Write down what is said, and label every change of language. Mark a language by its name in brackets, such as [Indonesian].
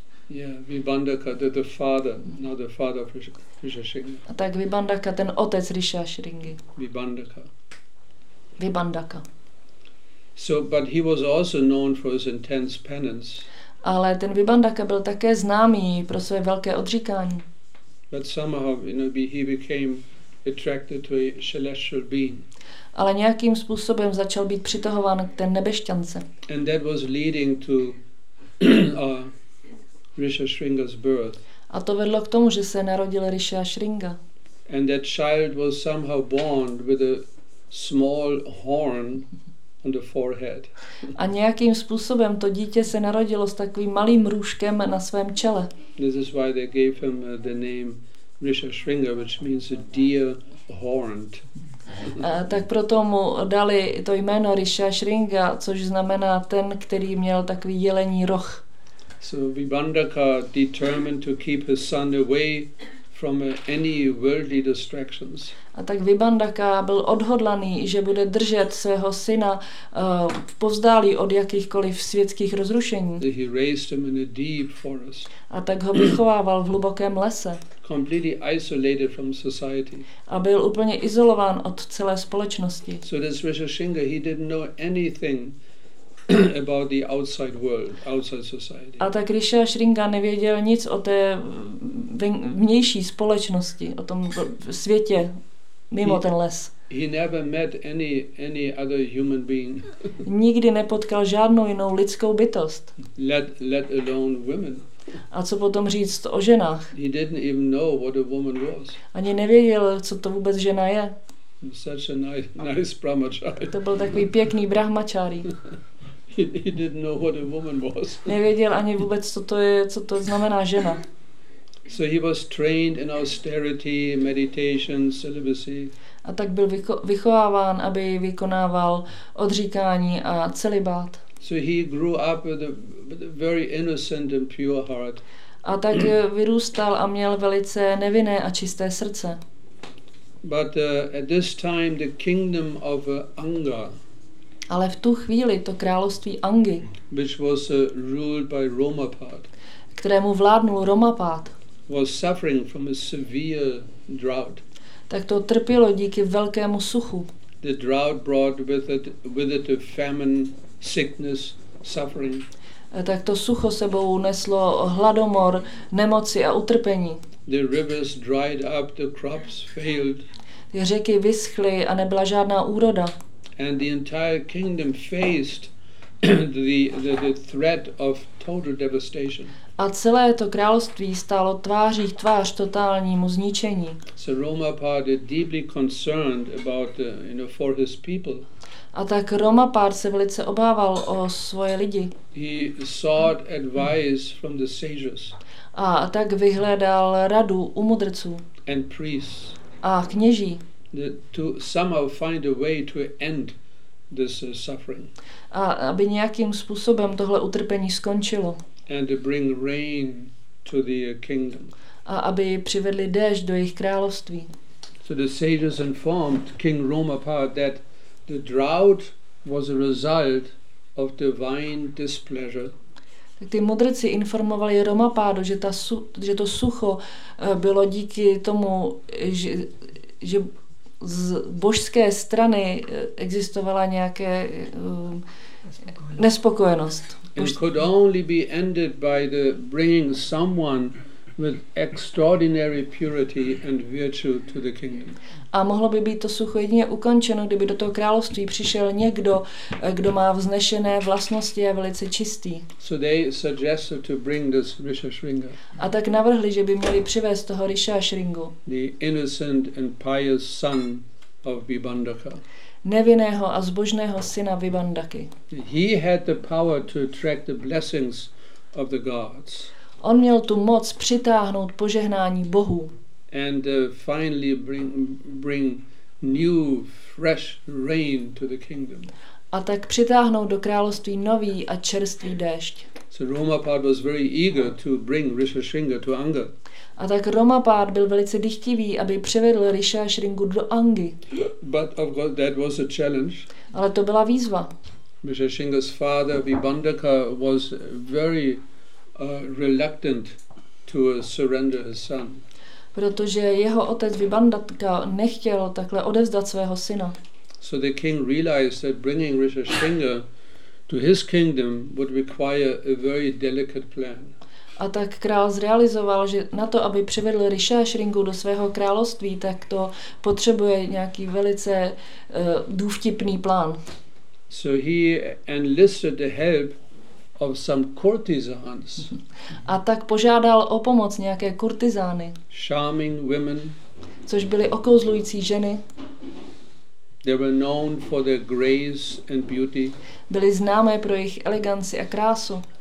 [English] Yeah, Vibandaka, the father, not the father of Rishi Shringa. [Czech] A tak Vibandaka, ten otec Rishi Shringy. [English] Vibandaka. [Czech] Vibandaka. [English] So, but he was also known for his intense penance. [Czech] Ale ten Vibandaka byl také známý pro své velké odříkání. [English] But somehow, you know, he became attracted to a celestial being. [Czech] Ale nějakým způsobem začal být přitahován k té nebešťance. [English] And that was leading to Rishi Shringa's birth. [Czech] A to vedlo k tomu, že se narodil Rishi Shringa. [English] And that child was somehow born with a small horn on the forehead. [Czech] A nějakým způsobem to dítě se narodilo s takovým malým růžkem na svém čele. [English] This is why they gave him the name Rishi Shringa, which means a deer horned. [Czech] Tak proto mu dali to jméno Rishi Shringa, což znamená ten, který měl takový jelení roh. [English] So Vibandaka determined to keep his son away from any worldly distractions. [Czech] A tak Vibandaka byl odhodlaný, že bude držet svého syna v povzdálí od jakýchkoliv světských rozrušení. [English] He raised him in a deep forest. [Czech] A tak ho vychovával v hlubokém lese. [English] Completely isolated from society. [Czech] A byl úplně izolován od celé společnosti. [English] So this Rishi Shringa, he didn't know anything about the outside world, outside society. [Czech] A tak Rishi Shringa nevěděl nic o té vnější společnosti, o tom světě mimo ten les. [English] He never met any other human being. [Czech] Nikdy nepotkal žádnou jinou lidskou bytost. [English] Let alone women. [Czech] A co potom říct o ženách? [English] He didn't even know what a woman was. [Czech] Ani nevěděl, co to vůbec žena je. [English] Such a nice brahmachari. [Czech] To byl takový pěkný brahmachari. [English] He didn't know what a woman was. [Czech] Nevěděl ani vůbec, co to je, co to znamená žena. [English] So he was trained in austerity, meditation, celibacy. [Czech] A tak byl vychováván, aby vykonával odříkání a celibát. [English] So he grew up with a very innocent and pure heart. [Czech] A tak vyrůstal a měl velice nevinné a čisté srdce. [English] But at this time the kingdom of Anga. [Czech] Ale v tu chvíli to království Angi. [English] Which was ruled by Romapad. [Czech] Kterému vládnul Romapad. [English] Was suffering from a severe drought. [Czech] Tak to trpělo díky velkému suchu. [English] The drought brought with it a famine, sickness, suffering. [Czech] Tak to sucho sebou neslo hladomor, nemoci a utrpení. [English] The rivers dried up, the crops failed. [Czech] Ty řeky vyschly a nebyla žádná úroda. [English] And the entire kingdom faced the threat of total devastation. [Czech] A celé to království stálo tváří v tvář totálnímu zničení. [English] So Romapad is deeply concerned about for his people. [Czech] A tak Romapad se velice obával o svoje lidi. [English] He sought advice from the sages. [Czech] A tak vyhledal radu u mudrců. [English] And priests. [Czech] A kněží. [English] To somehow find a way to end this suffering. [Czech] A aby nějakým způsobem tohle utrpení skončilo. [English] And to bring rain to the kingdom. [Czech] A aby přivedli déšť do jejich království. [English] So the sages informed King Romapad that the drought was a result of divine displeasure. [Czech] Tak ty mudrci informovali Romapádu, že to sucho bylo díky tomu, že z božské strany existovala nějaké nespokojenost. [English] And could only be ended by the bringing someone with extraordinary purity and virtue to the kingdom. [Czech] A mohlo by být to sucho jedině ukončeno, kdyby do toho království přišel někdo, kdo má vznešené vlastnosti a velice čistý. [English] So they suggested to bring this Rishashringa. [Czech] A tak navrhli, že by měli přivést toho Rishashringu. [English] The innocent and pious son of Vibandaka. [Czech] Nevinného a zbožného syna Vibandaky. [English] He had the power to attract the blessings of the gods. [Czech] On měl tu moc přitáhnout požehnání bohů. [English] And finally bring new fresh rain to the kingdom. [Czech] A tak přitáhnout do království nový a čerstvý déšť. [English] So Romapad was very eager to bring Rishashringa to Anga. [Czech] A tak Romapad byl velice dychtivý, aby přivedl Rishashringu do Angi. [English] But of course that was a challenge. [Czech] Ale to byla výzva. [English] Rishashringa's father Vibandaka was very reluctant to surrender his son. [Czech] Protože jeho otec Vibandaka nechtěl takhle odevzdat svého syna. [English] So the king realized that bringing Rishashringa to his kingdom would require a very delicate plan. [Czech] A tak král zrealizoval, že na to, aby přivedl Rishashringu do svého království, tak to potřebuje nějaký velice důvtipný plán. [English] So he enlisted the help of some courtesans. [Czech] A tak požádal o pomoc nějaké kurtizány. [English] Charming women. [Czech] Což byly okouzlující ženy. [English] They were known for their grace and beauty. [Czech] Byly známé pro jejich eleganci a krásu.